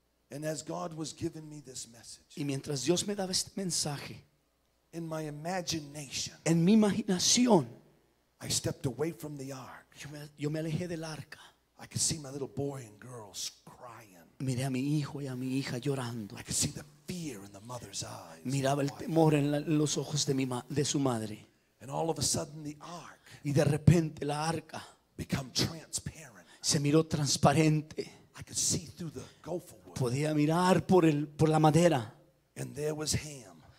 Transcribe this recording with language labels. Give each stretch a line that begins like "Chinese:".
English: And as God was giving me this message,
Spanish: y mientras Dios me daba este mensaje,
English: in my imagination,
Spanish: en mi imaginación,
English: I stepped away from the ark.
Spanish: Yo me alejé del arca.
English: I could see my little boy and girls crying.
Spanish: Miré a mi hijo y a mi hija llorando.
English: I could see the fear in the mother's eyes.
Spanish: Miraba el temor en los ojos de su madre.
English: And all of a sudden, the ark,
Spanish: y de repente la arca,
English: became transparent.
Spanish: Se miró transparente.
English: I could see through the gopher.
Spanish: Podía mirar por la madera.
English: And there was Ham.